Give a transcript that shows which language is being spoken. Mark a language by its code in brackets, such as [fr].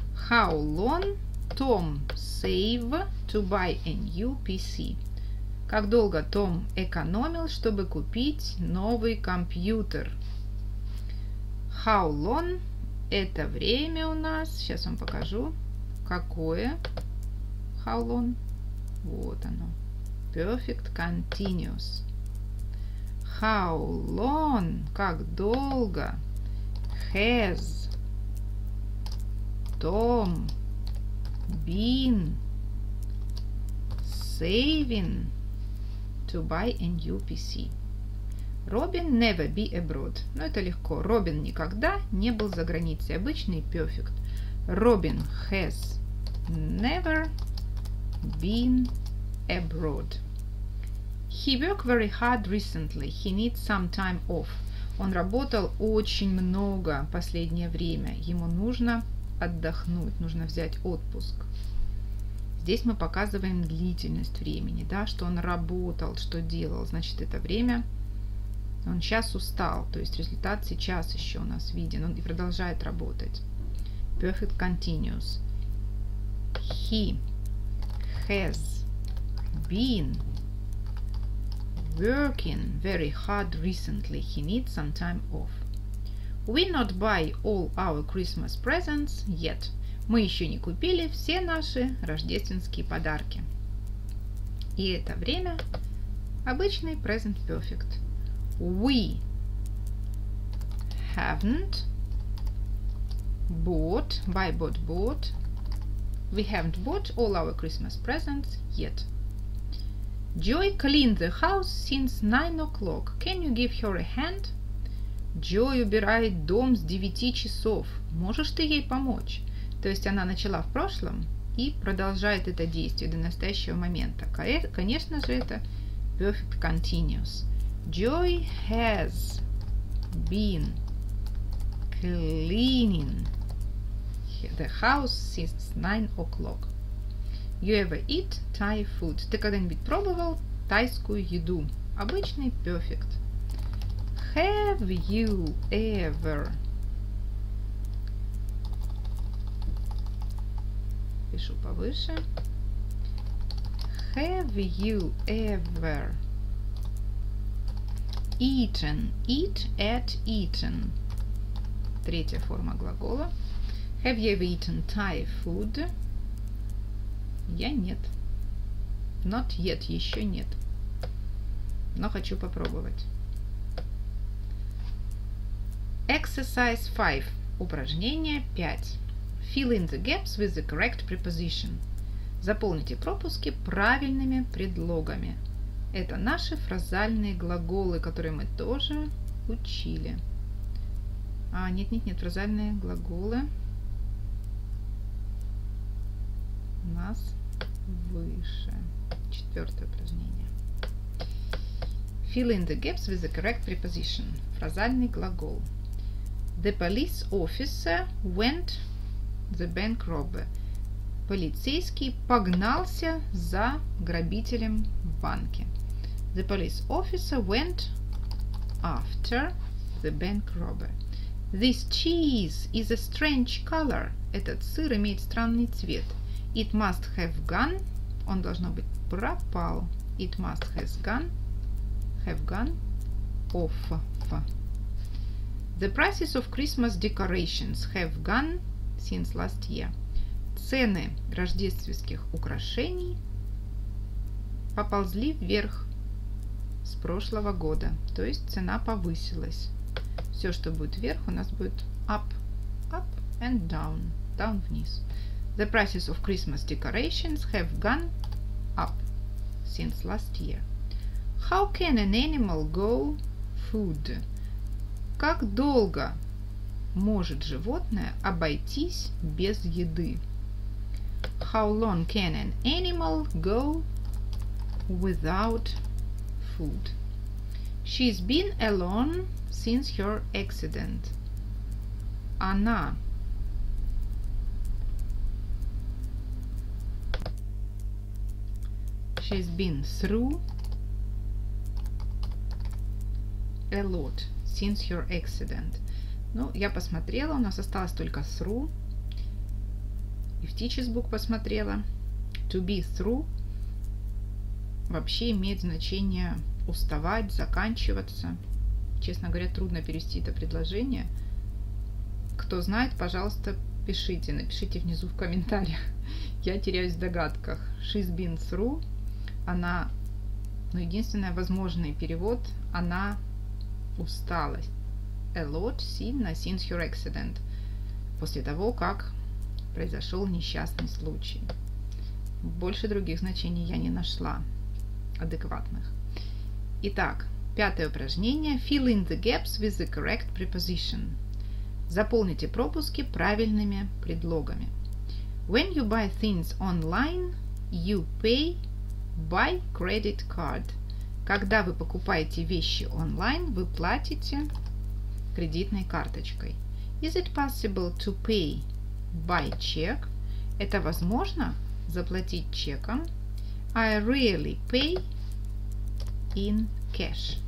[en] How long Tom save to buy a new PC? [ru] Как долго Том экономил, чтобы купить новый компьютер? [en] How long [ru] это время у нас? Сейчас вам покажу, какое [en] how long. [ru] Вот оно. [en] Perfect continuous. How long, [ru] как долго, [en] has Tom been saving to buy a new PC? Robin never be abroad. [ru] Ну, это легко. Robin никогда не был за границей. Обычный [en] perfect. Robin has never been abroad. He worked very hard recently. He needs some time off. [ru] Он работал очень много последнее время. Ему нужно отдохнуть, нужно взять отпуск. Здесь мы показываем длительность времени, да, что он работал, что делал. Значит, это время, он сейчас устал, то есть результат сейчас еще у нас виден, он и продолжает работать. [en] Perfect continuous. He has been working very hard recently. He needs some time off. We not buy all our Christmas presents yet. [ru] Мы еще не купили все наши рождественские подарки. И это время обычный present perfect. [en] We haven't bought, buy, bought, bought. We haven't bought all our Christmas presents yet. Joy cleaned the house since 9 o'clock. Can you give her a hand? [ru] Joy убирает дом с 9 часов. Можешь ты ей помочь? То есть она начала в прошлом и продолжает это действие до настоящего момента. Конечно же, это perfect continuous. [en] Joy has been cleaning the house since 9 o'clock. You ever eat Thai food? [ru] Ты когда-нибудь пробовал тайскую еду? Обычный [en] perfect. Have you ever? [ru] Пишу повыше. [en] Have you ever eaten? Eat at eaten. [ru] Третья форма глагола. [en] Have you ever eaten Thai food? [ru] Я нет. [en] Not yet, [ru] еще нет. Но хочу попробовать. [en] Exercise 5. [ru] Упражнение 5. [en] Fill in the gaps with the correct preposition. [ru] Заполните пропуски правильными предлогами. Это наши фразальные глаголы, которые мы тоже учили. А, нет, фразальные глаголы у нас выше. Четвертое упражнение. [en] Fill in the gaps with the correct preposition. [ru] Фразальный глагол. [en] The police officer went the bank robber. [ru] Полицейский погнался за грабителем в банке. [en] The police officer went after the bank robber. This cheese is a strange color. [ru] Этот сыр имеет странный цвет. [en] It must have gone. [ru] Он должно быть пропал. [en] It must has gone. Have gone. Off. The prices of Christmas decorations have gone since last year. [ru] Цены рождественских украшений поползли вверх с прошлого года. То есть цена повысилась. Все, что будет вверх, у нас будет [en] up, up and down, down [ru] вниз. [en] The prices of Christmas decorations have gone up since last year. How can an animal go food? [ru] Как долго может животное обойтись без еды? [en] How long can an animal go without food? She's been alone since her accident. [ru] Она [en] She's been through a lot since her accident. [ru] Ну, я посмотрела, у нас осталось только through. И в [en] teacher's book [ru] посмотрела. [en] To be through [ru] вообще имеет значение уставать, заканчиваться. Честно говоря, трудно перевести это предложение. Кто знает, пожалуйста, пишите. Напишите внизу в комментариях. Я теряюсь в догадках. [en] She's been through. [ru] Она, ну, единственный возможный перевод, она устала. [en] A lot [ru] сильно [en] since her accident. [ru] После того, как произошел несчастный случай. Больше других значений я не нашла адекватных. Итак, пятое упражнение. [en] Fill in the gaps with the correct preposition. [ru] Заполните пропуски правильными предлогами. [en] When you buy things online, you pay by credit card. [ru] Когда вы покупаете вещи онлайн, вы платите кредитной карточкой. [en] Is it possible to pay by check? [ru] Это возможно заплатить чеком? [en] I rarely pay in cash.